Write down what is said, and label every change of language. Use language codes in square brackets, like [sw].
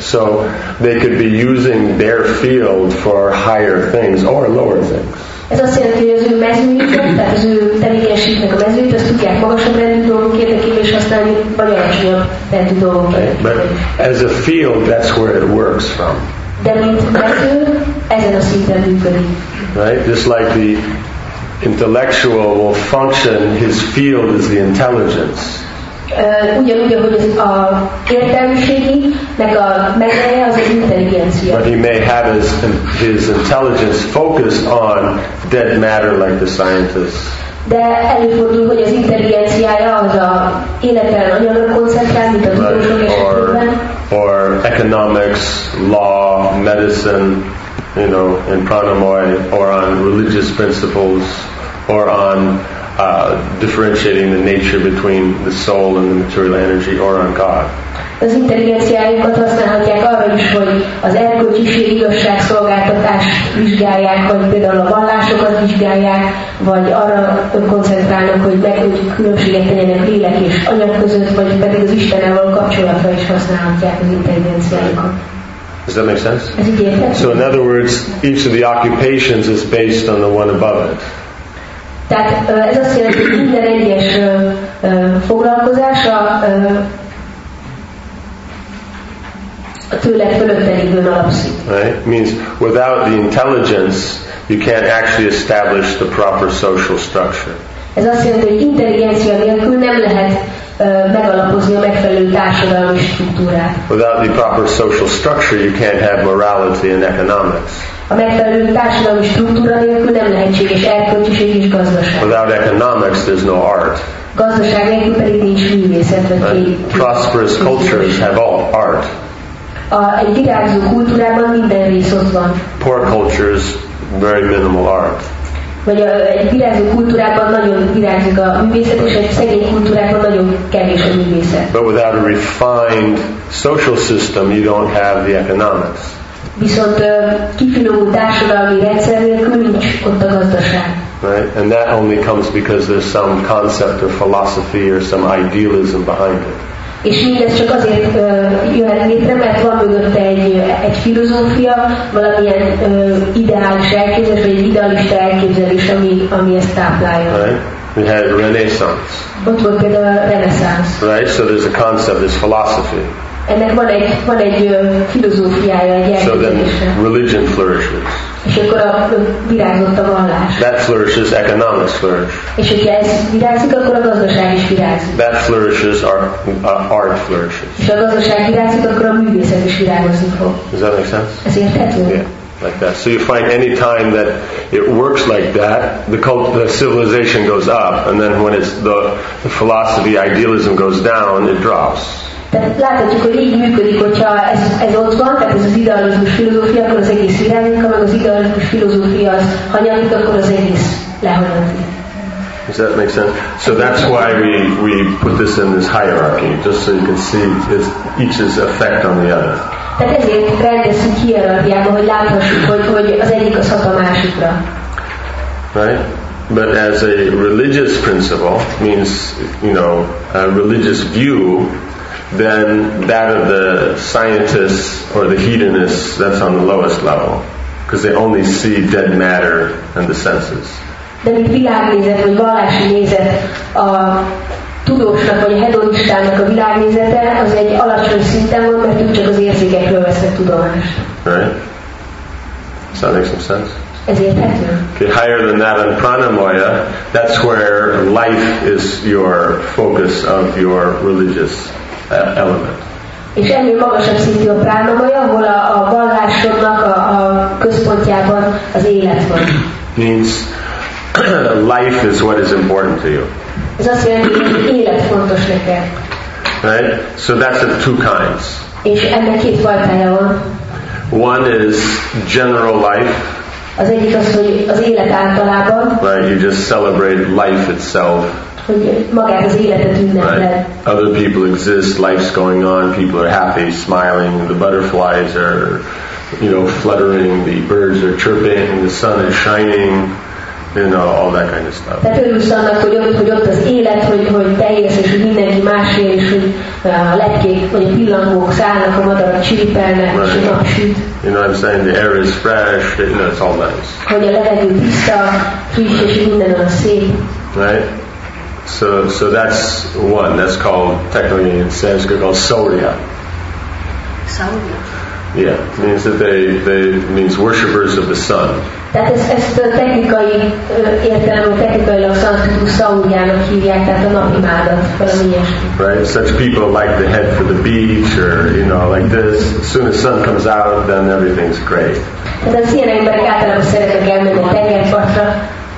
[en] So they could be using their field for higher things or lower things. [hu] Ez azt jelenti, hogy az ő mezőjüket, tehát az ő tevékenységnek a mezőjét, azt tudják magasabb rendű dolgok érdekében, és aztán vagy alacsonyabb rendű dolgok érdekében. [en] But as a field, that's where it works from. [hu] De mint mező, ezen a szinten működik. [en] Right? Just like the intellectual will function, his field is the intelligence. [hu] Ugyanúgy, ahogy az a értelmiségének a megeleje az egy intelligencia. [en] But he may have his intelligence focused on dead matter like the scientists. [hu] De előfordul, hogy az intelligenciája az a életen anyagra koncentrál, mint a tudósok esetében. [en] Or economics, law, medicine, you know, in pranamoy, or on religious principles, or on differentiating the nature between the soul and the material energy, or on God. [hu] Az intelligenciájukat használhatják arra is, hogy az erkölcsiség igazság szolgáltatás vizsgálják, vagy például a vallásokat vizsgálják, vagy arra koncentrálnak, hogy megtudjuk különbséget tegyenek lélek és anyag között, vagy pedig az Istennel való kapcsolatra is használhatják az intelligenciájukat. [en] Does that make sense? So in other words, each of the occupations is based on the one above it. [hu] Tehát ez azt jelenti, hogy minden egyes foglalkozása a tőle fölöttelikből alapszik. [en] Right? Means without the intelligence, you can't actually establish the proper social structure. [hu] Ez azt jelenti, hogy intelligencia nélkül nem lehet megalapozni a megfelelő társadalmi struktúrát. [en] Without the proper social structure, you can't have morality and economics. [hu] A megfelelő társadalmi struktúra nélkül nem lehetséges erkölcsiség és gazdaság. [en] Without economics, there's no art. [hu] Gazdaság nélkül pedig nincs művészet, vagy ki. [en] Prosperous cultures have all art. [hu] A egy virágzó kultúrában minden rész ott van. [en] Poor cultures, very minimal art. [hu] Vagy egy virágzó kultúrában nagyon virágzik a művészet, és egy szegény kultúrában nagyon kevés a művészet. [en] But without a refined social system, you don't have the economics. [hu] Viszont kifinomult társadalmi rendszer nélkül nincs ott a gazdaság. [en] Right? And that only comes because there's some concept or philosophy or some idealism behind it. [hu] És mindez csak azért jöhet létre, mert van mögött egy filozófia, valamilyen ideális elképzelés, vagy egy idealista elképzelés, ami ezt táplálja. [en] Right? We had Renaissance. [hu] Ott volt például a Renaissance. [en] Right? So there's a concept, there's philosophy. [hu] Ennek van egy filozófiája, egy elképzelése. [en] So then religion flourishes. [hu] És akkor a virágzott a vallás. [en] That flourishes, economics flourish. [hu] És hogyha ez virágzik, akkor a gazdaság is virágzik. [en] That flourishes, art flourishes. [hu] És a gazdaság virágzik, akkor a művészet is virágozni fog. [en] Does that make sense? [hu] Ez érthető? [en] Yeah, like that. So you find any time that it works like that, the civilization goes up, and then when it's the philosophy, idealism goes down, it drops. [hu] Tehát láthatjuk, hogy így működik, hogyha ez ott van, tehát ez az idealizmus filozófia, akkor az egész irányítja, meg az idealizmus filozófia az hanyatlik, akkor az egész lehanyatlik. [en] Does that make sense? So that's why we put this in this hierarchy, just so you can see each's effect on the other. [hu] Tehát ezért rendeztük hierarchiába, hogy láthassuk, hogy az egyik az hat a másikra. [en] Right? But as a religious principle means, you know, a religious view, then that of the scientists or the hedonists, that's on the lowest level, because they only see dead matter and the senses. [hu] De mint világnézet vagy vallási nézet, a tudósnak vagy a hedonistának a világnézete az egy alacsony szinten van, mert ők csak az érzékekről vesznek tudomást. [en] Right? So that makes some sense. [hu] Ezért [en] okay, higher than that on pranamaya, that's where life is your focus of your religious element. [hu] És ennél magasabb szintű a pranamaya, ahol a vallásodnak a központjában az élet van. [en] Means life is what is important to you. [hu] Ez azt jelenti, hogy élet fontos neked. [en] Right? So that's of two kinds. [hu] És ennek két fajtája van. [en] One is general life. [hu] Az egyik az, hogy az élet általában. [en] Right, you just celebrate life itself. [hu] Hogy magát az életet ünnepled. [en] Right. Other people exist, life's going on, people are happy, smiling, the butterflies are, you know, fluttering, the birds are chirping, the sun is shining, you know, all that kind of stuff. [hu] Tehát örülsz annak, hogy ott az élet, hogy teljes, és hogy mindenki más él, és hogy a lepkék, vagy a pillangók szállnak, a madarak csiripelnek, és a nap süt. [en] You know what I'm saying? The air is fresh. You know, it's all nice. [hu] Hogy a levegő tiszta, friss, és minden olyan szép. [en] Right? So that's one. That's called, technically in Sanskrit, called Surya. Surya? Yeah. It means that they means worshippers of the sun. [hu] Tehát ezt a technikai értelemben, technikailag Sanskritul Sauryának hívják, tehát a napimádat, valami ilyesmi. [en] Right? Such people like the head for the beach, or, you know, like this. As soon as sun comes out, then everything's great. [hu] Tehát az ilyen emberek általában szeretnek elmenni a tengerpartra.